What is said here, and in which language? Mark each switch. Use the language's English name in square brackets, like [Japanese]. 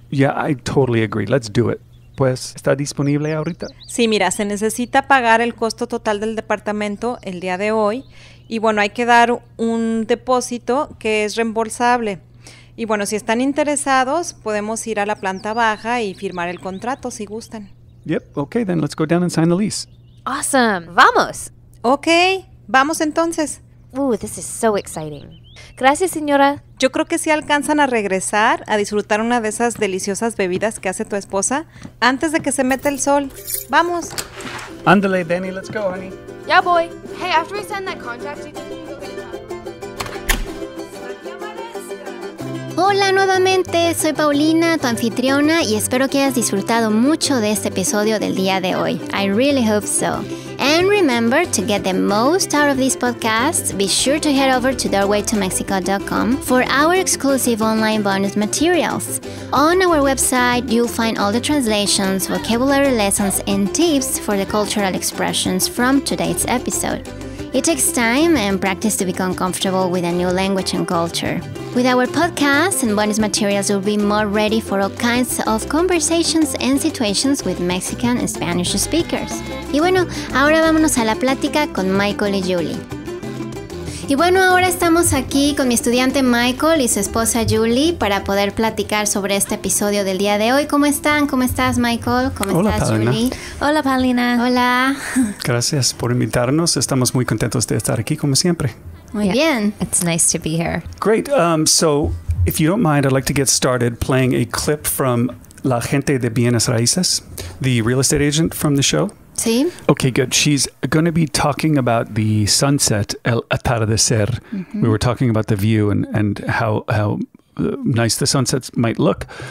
[English] Yeah, I totally agree. Let's do it. [Spanish] Pues, ¿está disponible ahorita? Sí, mira, se necesita pagar el costo total del departamento el día de hoy. Y bueno, hay que dar un depósito que es reembolsable. Y bueno, si están interesados, podemos ir a la planta baja y firmar el contrato, si gustan. [English] Yep, okay, then let's go down and sign the lease. Awesome, [Spanish] vamos. Okay, vamos entonces. [English] Ooh, this is so exciting. [Spanish] Gracias, señora. Yo creo que sí alcanzan a regresar a disfrutar una de esas deliciosas bebidas que hace tu esposa antes de que se meta el sol. ¡Vamos! Ándale, [English] Danny. Let's go, honey. [Spanish] Ya voy. [English] Hey, after we sign that contract, you can go get it. [Spanish] Hola nuevamente, soy Paulina, tu anfitriona, y espero que hayas disfrutado mucho de este episodio del día de hoy. [English] I really hope so. And remember, to get the most out of this podcast, be sure to head over to doorwaytomexico.com for our exclusive online bonus materials. On our website, you'll find all the translations, vocabulary lessons, and tips for the cultural expressions from today's episode. It takes time and practice to become comfortable with a new language and culture. With our podcast and bonus materials, you'll be more ready for all kinds of conversations and situations with Mexican and Spanish speakers. [Spanish] Y bueno, ahora vámonos a la plática con Michael y Julie. Y bueno, ahora estamos aquí con mi estudiante Michael y su esposa Julie para poder platicar sobre este episodio del día de hoy. ¿Cómo están? ¿Cómo estás, Michael? ¿Cómo Hola, estás, Paulina. Julie? Hola, Paulina. Hola. Gracias por invitarnos. Estamos muy contentos de estar aquí, como siempre. Muy yeah. bien. [English] It's nice to be here. Great. So, if you don't mind, I'd like to get started playing a clip from La Gente de Bienes Raíces, the real estate agent from the show. Okay, good. She's going to be talking about the sunset, el atardecer. Mm-hmm. We were talking about the view and how nice the sunsets might look.